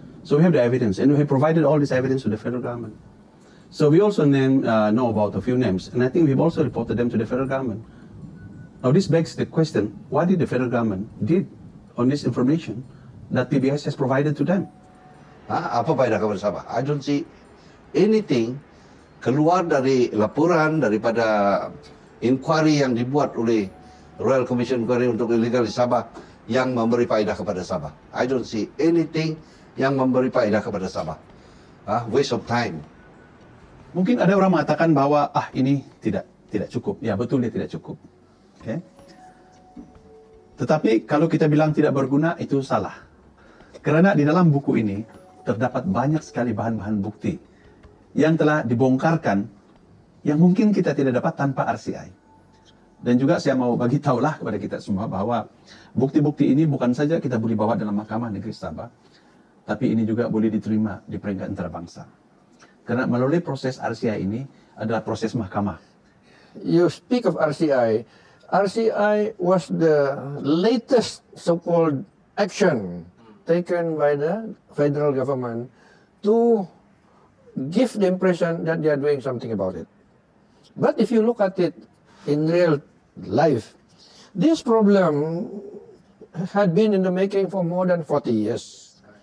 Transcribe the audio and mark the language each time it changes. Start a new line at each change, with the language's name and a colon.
English: So we have the evidence, and we have provided all this evidence to the federal government. So we also know about a few names, and I think we've also reported them to the federal government. Now this begs the question, what did the federal government did on this information that PBS has provided to them?
Malay: Apa faedah kepada Sabah?
English: I don't see anything
Malay: keluar dari laporan daripada inquiry yang dibuat oleh Royal Commission Inquiry untuk Illegal di Sabah yang memberi faedah kepada Sabah.
English: I don't see anything
Malay: yang memberi faedah kepada Sabah.
English: Waste of time.
Malay: Mungkin ada orang mengatakan bahwa ini tidak cukup. Ya, betul dia tidak cukup. Okay. Tetapi kalau kita bilang tidak berguna, itu salah. Karena di dalam buku ini terdapat banyak sekali bahan-bahan bukti yang telah dibongkarkan yang mungkin kita tidak dapat tanpa RCI. Dan juga saya mau bagi tahulah kepada kita semua bahwa bukti-bukti ini bukan saja kita boleh bawa dalam Mahkamah Negeri Sabah, tapi ini juga boleh diterima di peringkat antarabangsa. Karena melalui proses RCI ini adalah proses mahkamah.
English: You speak of RCI. RCI was the latest so-called action taken by the federal government to give the impression that they are doing something about it. But if you look at it in real life, this problem had been in the making for more than 40 years.